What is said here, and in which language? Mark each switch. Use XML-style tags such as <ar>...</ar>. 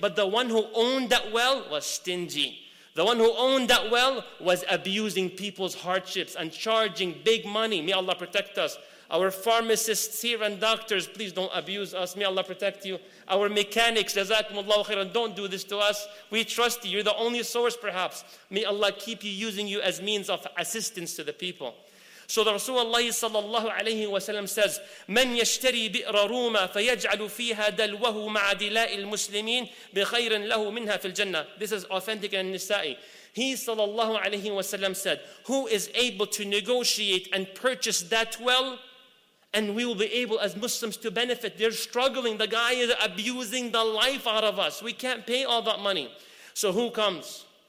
<en>But the one who owned that well was stingy. The one who owned that well was abusing people's hardships and charging big money. May Allah protect us. Our pharmacists here and doctors, please don't abuse us. May Allah protect you. Our mechanics, jazakumullahu khairan, don't do this to us. We trust you. You're the only source perhaps. May Allah keep you using you as means of assistance to the people. So the Rasulullah sallallahu alayhi wa sallam says,</en> <ar>من يشتري بئر روما فيجعل فيها دلوه مع دلاء المسلمين بخير له منها في الجنة.</ar> <en>This is authentic in Nisa'i. He sallallahu alayhi wa sallam said, who is able to negotiate and purchase that well, and we will be able as Muslims to benefit. They're struggling. The guy is abusing the life out of us. We can't pay all that money. So who comes?</en>